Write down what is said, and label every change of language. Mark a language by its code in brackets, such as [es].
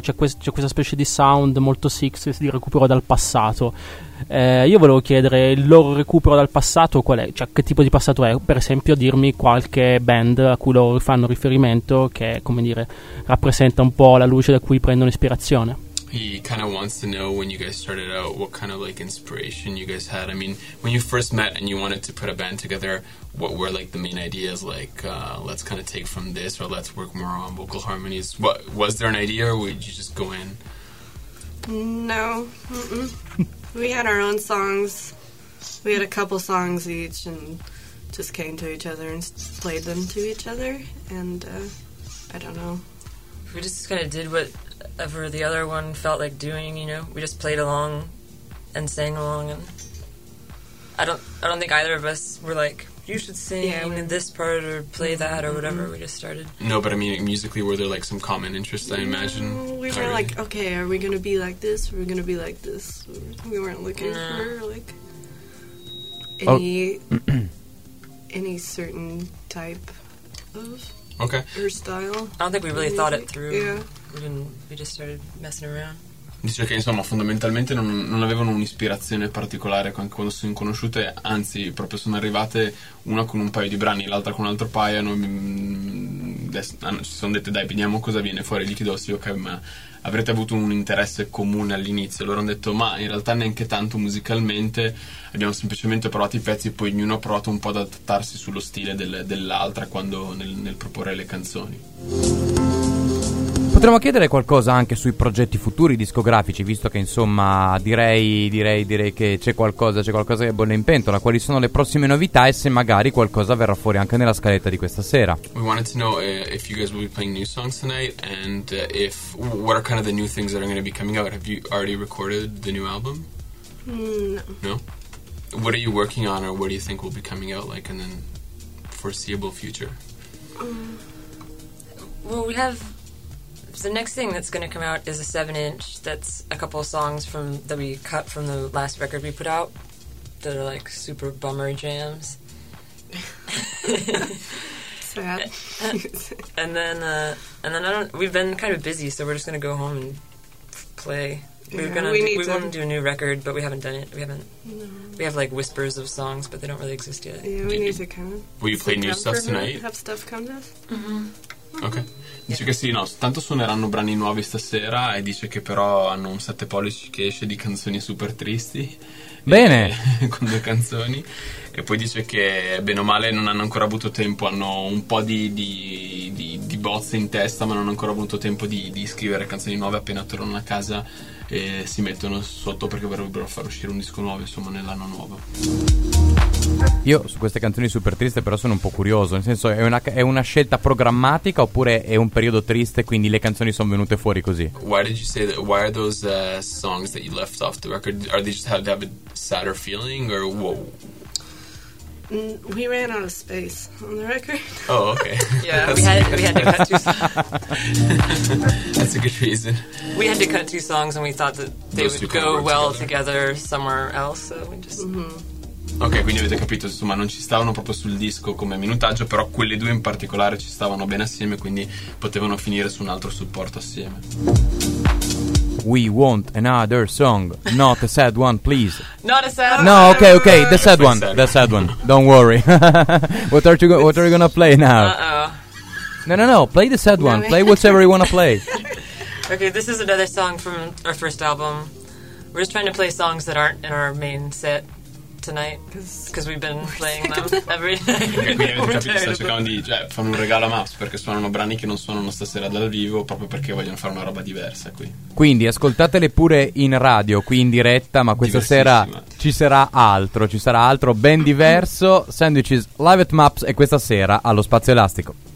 [it] c'è questa specie di sound molto 60s di recupero dal passato. Io volevo chiedere, il loro recupero dal passato qual è? Cioè, che tipo di passato è? Per esempio, dirmi qualche band a cui loro fanno riferimento, che, come dire, rappresenta un po' la luce da cui prendono ispirazione. [en] He kind of wants to know when you guys started out, what kind of like inspiration you guys had. I mean, when you first met and you wanted to put a band together, what were like the main ideas? Like, let's kind of take from this, or let's work more on vocal harmonies. What was there an idea, or would you just go in? No. We had our own songs. We had a couple songs each and just came to each other and played them to each other. And I don't know. We just kind of did whatever the other one felt like doing, you know? We just played along and sang along. And I don't think either of us were like, you should sing in this part or play that or whatever. Mm-hmm. We just started. No, but I mean, musically, were there like some common interests, I imagine? We were like, okay, are we going to be like this? Are we going to be like this? We weren't looking for like any certain type of or style. I don't think we really thought it through. Yeah. We just started messing around. [it] Dice che insomma fondamentalmente non avevano un'ispirazione particolare anche quando si sono conosciute, anzi proprio sono arrivate una con un paio di brani, l'altra con un altro paio, ci sono dette dai vediamo cosa viene fuori, gli chiedo sì, ok, ma avrete avuto un interesse comune all'inizio? Loro hanno detto ma in realtà neanche tanto musicalmente, abbiamo semplicemente provato i pezzi e poi ognuno ha provato un po' ad adattarsi sullo stile dell'altra quando nel proporre le canzoni. Potremmo chiedere qualcosa anche sui progetti futuri discografici, visto che insomma direi che c'è qualcosa che bolle in pentola. Quali sono le prossime novità e se magari qualcosa verrà fuori anche nella scaletta di questa sera? [en] We wanted to know if you guys will be playing new songs tonight and if what are kind of the new things that are going to be coming out. Have you already recorded the new album? No. No. What are you working on or what do you think will be coming out like in the foreseeable future? The next thing that's going to come out is a 7-inch that's a couple of songs that we cut from the last record we put out that are like super bummer jams. Sad. And then we've been kind of busy, so we're just going to go home and play. We want to do a new record, but we haven't done it. We have like whispers of songs, but they don't really exist yet. Yeah, we need to kind of... Will you play new stuff tonight? Have stuff come to us? Mm-hmm. [it] Ok, dice che sì, no, tanto suoneranno brani nuovi stasera e dice che però hanno un 7 pollici che esce di canzoni super tristi. Bene! Con due canzoni. E poi dice che bene o male non hanno ancora avuto tempo, hanno un po' di bozze in testa ma non hanno ancora avuto tempo di scrivere canzoni nuove, appena tornano a casa e si mettono sotto perché vorrebbero far uscire un disco nuovo insomma nell'anno nuovo. Io su queste canzoni super triste però sono un po' curioso, nel senso è una scelta programmatica oppure è un periodo triste quindi le canzoni sono venute fuori così? [en] Why did you say that? Why are those songs that you left off the record? Are they just have a sadder feeling or whoa? We ran out of space on the record. Oh, okay. Yeah, we had to cut two. That's a good reason. We had to cut two songs, and we thought that they would go well together somewhere else. So we just. Mm-hmm. [it] Okay, quindi avete capito, insomma, non ci stavano proprio sul disco come minutaggio, però quelle due in particolare ci stavano bene assieme, quindi potevano finire su un altro supporto assieme. [en] We want another song, not a sad one, please. Not a sad one. No, okay, the sad one, Don't worry. What are you gonna play now? Uh-oh. No, play the sad one. Play whatever you wanna play. Okay, this is another song from our first album. We're just trying to play songs that aren't in our main set. tonight because we've been playing them every night. [it] Sta cercando di, cioè, fanno un regalo a Maps perché suonano brani che non suonano stasera dal vivo, proprio perché vogliono fare una roba diversa qui. Quindi ascoltatele pure in radio, qui in diretta, ma questa sera ci sarà altro, ben diverso. Sandwiches Live at Maps e questa sera allo Spazio Elastico.